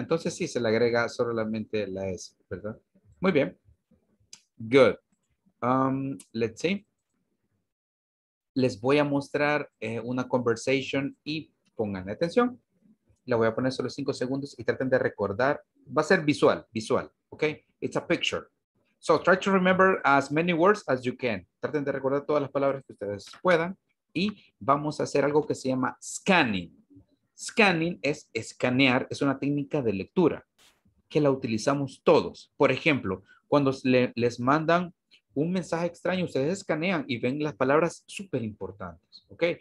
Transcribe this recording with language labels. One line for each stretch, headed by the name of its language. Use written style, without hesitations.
Spanish: Entonces sí se le agrega solamente la S, ¿verdad? Muy bien.
English: Good. Let's see.
Spanish: Les voy a mostrar una conversation y pongan atención. La voy a poner solo 5 segundos y traten de recordar. Va a ser visual, visual, ¿ok?
English: It's a picture. So try to remember as many words as you can.
Spanish: Traten de recordar todas las palabras que ustedes puedan. Y vamos a hacer algo que se llama scanning. Scanning es escanear, es una técnica de lectura que la utilizamos todos. Por ejemplo, cuando les mandan un mensaje extraño, ustedes escanean y ven las palabras súper importantes, ¿ok?